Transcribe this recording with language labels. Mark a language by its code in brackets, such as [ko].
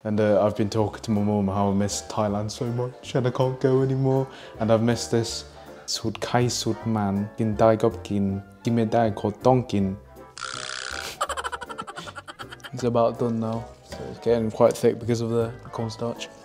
[en] And I've been talking to my mom how I miss Thailand so much and I can't go anymore. And I've missed this. [th] สุดไข่สุดมันกินได้ก็กินกินไม่ได้ก็ต้องกิน [en] It's about done now. So it's getting quite thick because of the cornstarch.